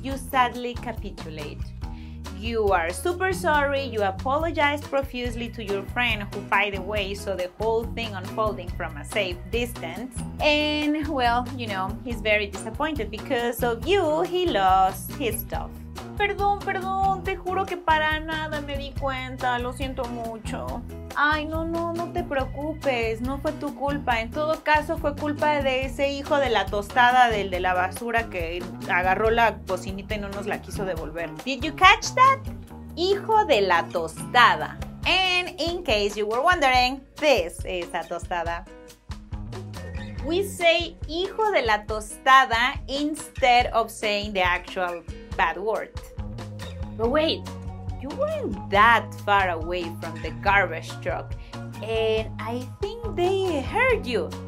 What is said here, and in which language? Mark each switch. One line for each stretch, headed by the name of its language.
English: you sadly capitulate. You are super sorry, you apologize profusely to your friend who, by the way, saw the whole thing unfolding from a safe distance. And, well, you know, he's very disappointed because of you, he lost his stuff.
Spanish: Perdón, te juro que para nada me di cuenta, lo siento mucho. Ay, no te preocupes, no fue tu culpa. En todo caso, fue culpa de ese hijo de la tostada, del de la basura que agarró la cocinita y no nos la quiso devolver.
English: Did you catch that? Hijo de la tostada. And in case you were wondering, this is a tostada. We say hijo de la tostada instead of saying the actual bad word. But wait, you weren't that far away from the garbage truck and I think they heard you.